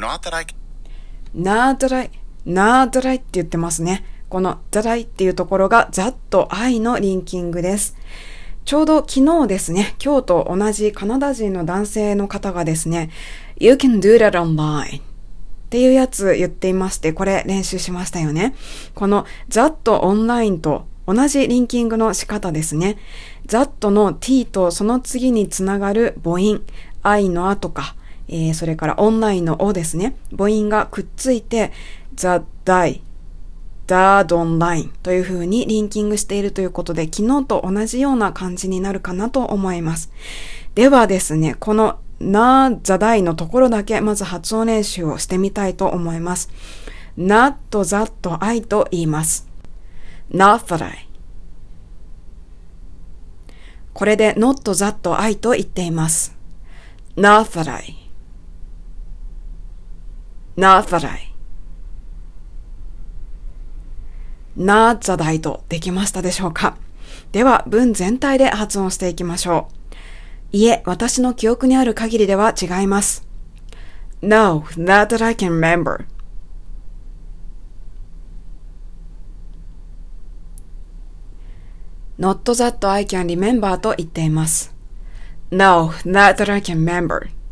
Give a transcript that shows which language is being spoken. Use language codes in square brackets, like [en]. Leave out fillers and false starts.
[en] see, not that I can remember [ja] って言ってますね。この that I っていうところが that I のリンキングです。ちょうど昨日ですね、今日と同じカナダ人の男性の方がですね、 [en] you can do that online [ja] っていうやつ言っていまして、これ練習しましたよね。この that online と同じリンキングの仕方ですね。 that の t とその次につながる母音 i のあとか、それから online のおですね、母音がくっついて that IThat online という風にリンキングしているということで、昨日と同じような感じになるかなと思います。ではですね、この not that I のところだけまず発音練習をしてみたいと思います。 not that I と言います。 [en] not that I。 [ja] これで not that I と言っています。 [en] not that I。 not that I。 [ja] なーざだいとできましたでしょうか。では文全体で発音していきましょう。いえ、私の記憶にある限りでは違います。 [en] No, not that I can remember. Not that I can remember [ja] と言っています。 [en] No, not that I can remember.